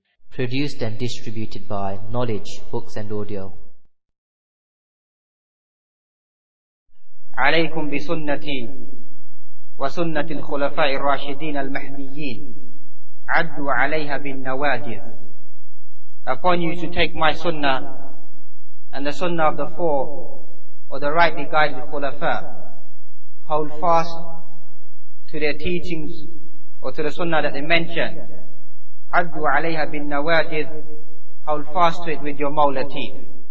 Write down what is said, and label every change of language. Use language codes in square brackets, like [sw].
[en] Produced and distributed by Knowledge, Books and Audio. [ar] عليكم بسنتي وسنة الخلفاء الراشدين المهديين عدوا عليها بالنواجذ. [en] Upon you to take my sunnah and the sunnah of the four or the rightly guided khulafa. Hold fast to their teachings or to the sunnah that they mention. [ar] عَدُّ عَلَيْهَا بِالنَّوَاجِذِ [en] Hold fast to it with your mawla teeth.